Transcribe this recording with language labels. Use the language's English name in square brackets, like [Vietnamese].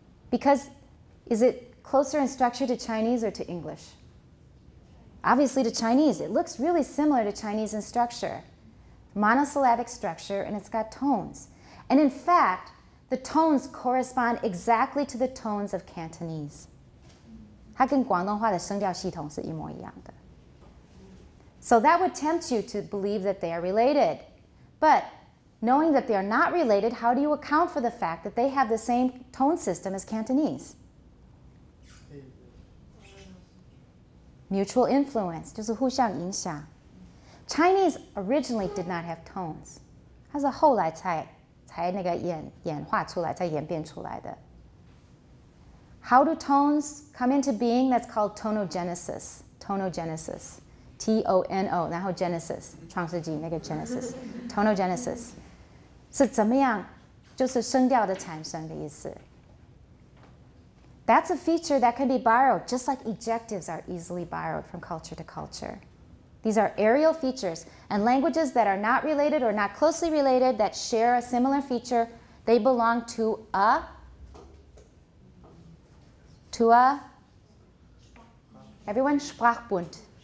[English] Because is it closer in structure to Chinese or to English? Obviously to Chinese. It looks really similar to Chinese in structure. Monosyllabic structure, and it's got tones. And in fact, The tones correspond exactly to the tones of Cantonese. [Chinese] 它跟广东话的声调系统是一模一样的。 [English] So that would tempt you to believe that they are related. But knowing that they are not related, how do you account for the fact that they have the same tone system as Cantonese? Mutual influence, [Chinese] 就是互相影响。 [English] Chinese originally did not have tones. [Chinese] 它是后来才那个演化出来，才演变出来的。 [English] How do tones come into being? That's called tonogenesis. [Chinese] Tonogenesis. T-O-N-O, 然后 genesis, 创世纪那个 genesis. Tonogenesis. 是怎么样？就是声调的产生的意思。 [English] That's a feature that can be borrowed, just like ejectives are easily borrowed from culture to culture. These are aerial features, and languages that are not related or not closely related that share a similar feature, they belong to a, everyone, Sprachbund.